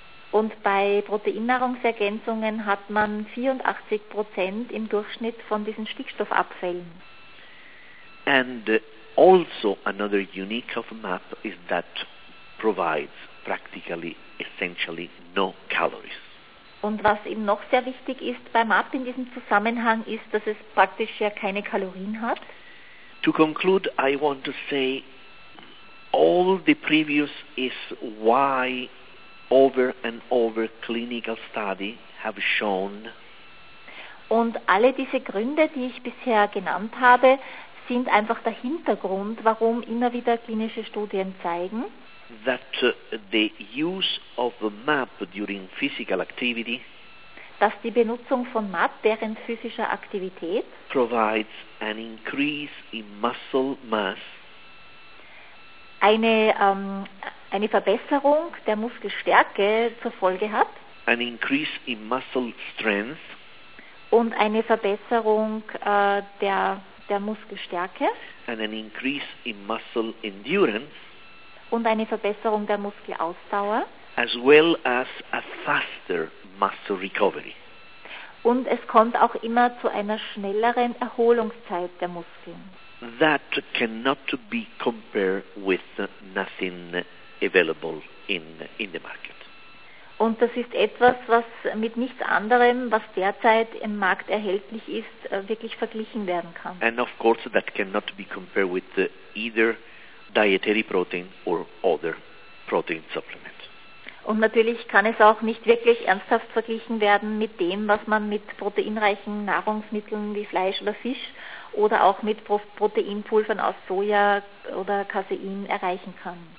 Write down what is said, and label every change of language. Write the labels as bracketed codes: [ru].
[de] Und bei Proteinnahrungsergänzungen hat man 84% im Durchschnitt von diesen Stickstoffabfällen. [en] And also another unique of MAP is that provides practically, essentially no calories. [de] Und was eben noch sehr wichtig ist bei MAP in diesem Zusammenhang ist, dass es praktisch ja keine Kalorien hat. [en] To conclude, I want to say all the previous is why over and over clinical study have shown. [de] Und alle diese Gründe, die ich bisher genannt habe, sind einfach der Hintergrund, warum immer wieder klinische Studien zeigen, [en] that the use of MAP during physical activity, [de] dass die Benutzung von MAP während physischer Aktivität [en] provides an increase in muscle mass, [de] eine Verbesserung der Muskelstärke zur Folge hat, [en] an increase in muscle strength, [de] Und eine Verbesserung der Muskelstärke. [en] And an increase in muscle endurance. [de] Und eine Verbesserung der Muskelausdauer. [en] As well as a faster muscle recovery. [de] Und es kommt auch immer zu einer schnelleren Erholungszeit der Muskeln. [en] That cannot be compared with nothing available in the market. [de] Und das ist etwas, was mit nichts anderem, was derzeit im Markt erhältlich ist, wirklich verglichen werden kann. [en] And of course that cannot be compared with either dietary protein or other protein supplements. [de] Und natürlich kann es auch nicht wirklich ernsthaft verglichen werden mit dem, was man mit proteinreichen Nahrungsmitteln wie Fleisch oder Fisch oder auch mit Proteinpulvern aus Soja oder Casein erreichen kann.